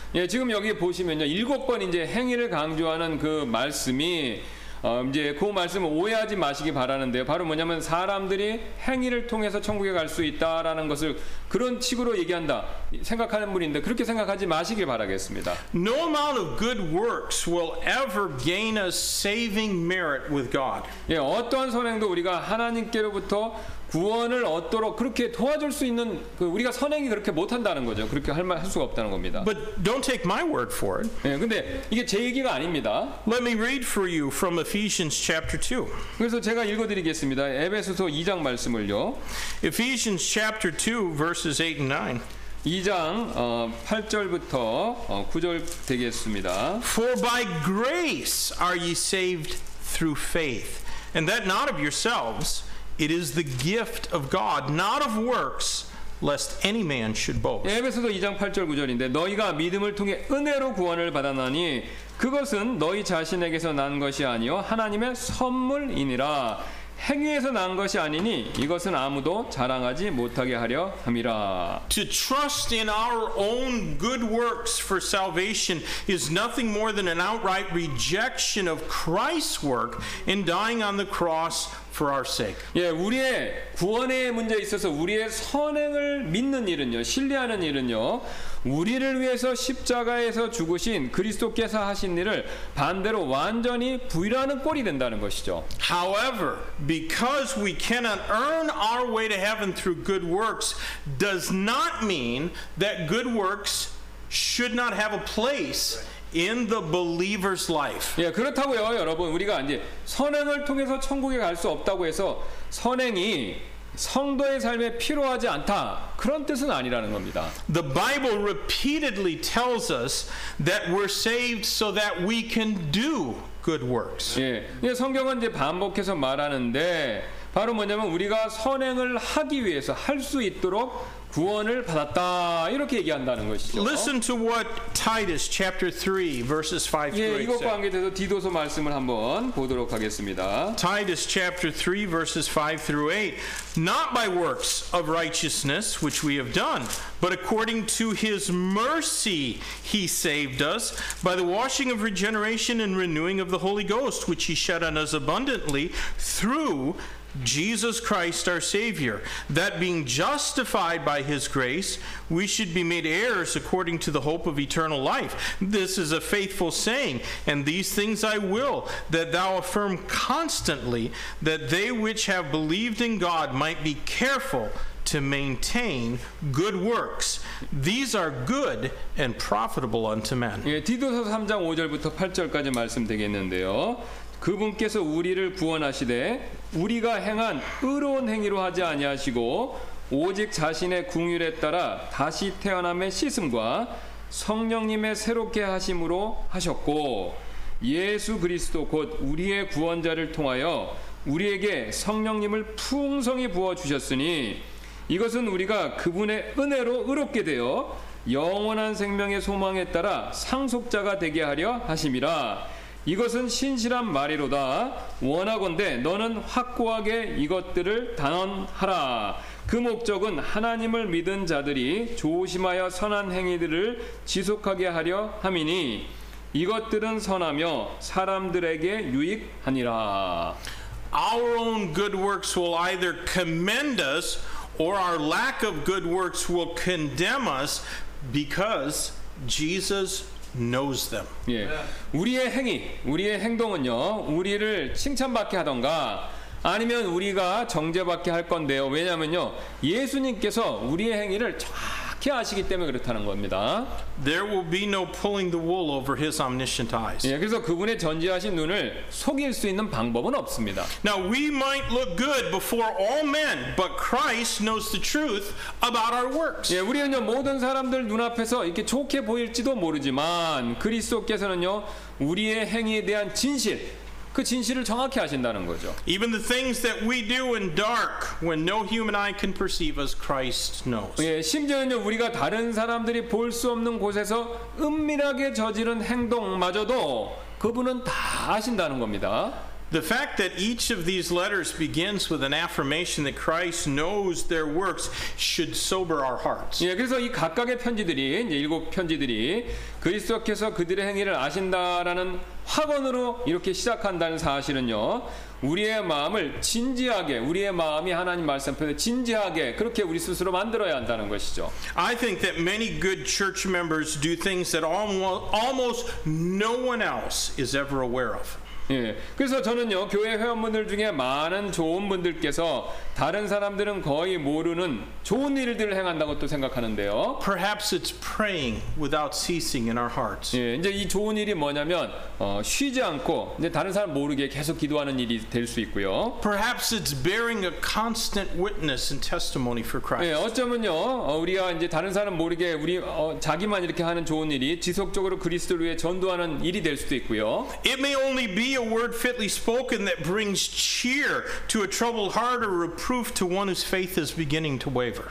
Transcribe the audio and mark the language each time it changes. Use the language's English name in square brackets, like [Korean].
[Korean] 예, 지금 여기 보시면요, 일곱 번 이제 행위를 강조하는 그 말씀이 이제 그 말씀을 오해하지 마시기 바라는데요. 바로 뭐냐면 사람들이 행위를 통해서 천국에 갈 수 있다라는 것을 그런 식으로 얘기한다 생각하는 분인데 그렇게 생각하지 마시길 바라겠습니다. [English] No amount of good works will ever gain us saving merit with God. [Korean] 예, 어떠한 선행도 우리가 하나님께로부터 구원을 얻도록 그렇게 도와줄 수 있는 그 우리가 선행이 그렇게 못한다는 거죠. 그렇게 할 수가 없다는 겁니다. [English] But don't take my word for it. [Korean] 예, 근데 이게 제 얘기가 아닙니다. [English] Let me read for you from Ephesians chapter 2. [Korean] 그래서 제가 읽어드리겠습니다. 에베소서 2장 말씀을요. [English] Ephesians chapter 2 verses 8 and 9. [Korean] 2장 8절부터 9절 되겠습니다. [English] For by grace are ye saved through faith, and that not of yourselves, it is the gift of God, not of works, lest any man should boast. [Korean] 에베소서 2장 8절 9절인데 너희가 믿음을 통해 은혜로 구원을 받았나니 그것은 너희 자신에게서 난 것이 아니요 하나님의 선물이니라. 행위에서 난 것이 아니니 이것은 아무도 자랑하지 못하게 하려 함이라. [English] To trust in our own good works for salvation is nothing more than an outright rejection of Christ's work in dying on the cross for our sake. [Korean] 예, 우리의 구원의 문제에 있어서 우리의 선행을 믿는 일은요, 신뢰하는 일은요, 우리를 위해서 십자가에서 죽으신 그리스도께서 하신 일을 반대로 완전히 부인하는 꼴이 된다는 것이죠. [English] However, because we cannot earn our way to heaven through good works, does not mean that good works should not have a place in the believer's life. [Korean] 예, 그렇다고요, 여러분. 우리가 이제 선행을 통해서 천국에 갈 수 없다고 해서 선행이 성도의 삶에 필요하지 않다. 그런 뜻은 아니라는 겁니다. [English] The Bible repeatedly tells us that we're saved so that we can do good works. [Korean] 예, 예, 성경은 이제 반복해서 말하는데 바로 뭐냐면 우리가 선행을 하기 위해서 할 수 있도록 구원을 받았다 이렇게 얘기한다는 것이죠. [English] Listen to what Titus chapter 3 verses 5 through 8. [Korean] 예, 이것과 관계돼서 디도서 말씀을 한번 보도록 하겠습니다. [English] Titus chapter 3 verses 5 through 8. Not by works of righteousness which we have done, but according to his mercy he saved us by the washing of regeneration and renewing of the Holy Ghost which he shed on us abundantly through Jesus Christ our Savior, that being justified by his grace, we should be made heirs according to the hope of eternal life. This is a faithful saying, and these things I will, that thou affirm constantly, that they which have believed in God might be careful to maintain good works. These are good and profitable unto men. [Korean] 예, 디도서 3장 5절부터 8절까지 말씀되겠는데요. 그분께서 우리를 구원하시되 우리가 행한 의로운 행위로 하지 아니하시고 오직 자신의 궁휼에 따라 다시 태어남의 씻음과 성령님의 새롭게 하심으로 하셨고 예수 그리스도 곧 우리의 구원자를 통하여 우리에게 성령님을 풍성히 부어주셨으니 이것은 우리가 그분의 은혜로 의롭게 되어 영원한 생명의 소망에 따라 상속자가 되게 하려 하심이라 이것은 신실한 말이로다. 원하건대 너는 확고하게 이것들을 단언하라. 그 목적은 하나님을 믿은 자들이 조심하여 선한 행위들을 지속하게 하려 함이니 이것들은 선하며 사람들에게 유익하니라. [English] Our own good works will either commend us or our lack of good works will condemn us because Jesus knows them. [Korean] 예, 우리의 행위, 우리의 행동은요, 우리를 칭찬받게 하던가, 아니면 우리가 정죄받게 할 건데요. 왜냐면요, 예수님께서 우리의 행위를 정확히 아시기 때문에 그렇다는 겁니다. [English] There will be no pulling the wool over His omniscient eyes. [Korean] 예, 그래서 그분의 전지하신 눈을 속일 수 있는 방법은 없습니다. [English] Now we might look good before all men, but Christ knows the truth about our works. [Korean] 예, 우리는요 모든 사람들 눈앞에서 이렇게 좋게 보일지도 모르지만 그리스도께서는요 우리의 행위에 대한 진실. 그 진실을 정확히 아신다는 거죠. [English] Even the things that we do in dark when no human eye can perceive us, Christ knows. [Korean] 예, 심지어는 우리가 다른 사람들이 볼 수 없는 곳에서 은밀하게 저지른 행동마저도 그분은 다 아신다는 겁니다. [English] The fact that each of these letters begins with an affirmation that Christ knows their works should sober our hearts. [Korean] 예, 그래서 이 각각의 편지들이, 이제 일곱 편지들이 그리스도께서 그들의 행위를 아신다라는 확언으로 이렇게 시작한다는 사실은요. 우리의 마음을 진지하게 우리의 마음이 하나님 말씀 앞에 진지하게 그렇게 우리 스스로 만들어야 한다는 것이죠. [English] I think that many good church members do things that almost no one else is ever aware of. [Korean] 예, 그래서 저는요 교회 회원분들 중에 많은 좋은 분들께서 다른 사람들은 거의 모르는 좋은 일들을 행한다고 또 생각하는데요. [English] Perhaps it's praying without ceasing in our hearts. [Korean] 예, 이제 이 좋은 일이 뭐냐면 쉬지 않고 이제 다른 사람 모르게 계속 기도하는 일이 될 수 있고요. [English] Perhaps it's bearing a constant witness and testimony for Christ. [Korean] 예, 어쩌면요 우리가 이제 다른 사람 모르게 우리 자기만 이렇게 하는 좋은 일이 지속적으로 그리스도를 위해 전도하는 일이 될 수도 있고요. [English] It may only be a word fitly spoken that brings cheer to a troubled heart or reproof to one whose faith is beginning to waver.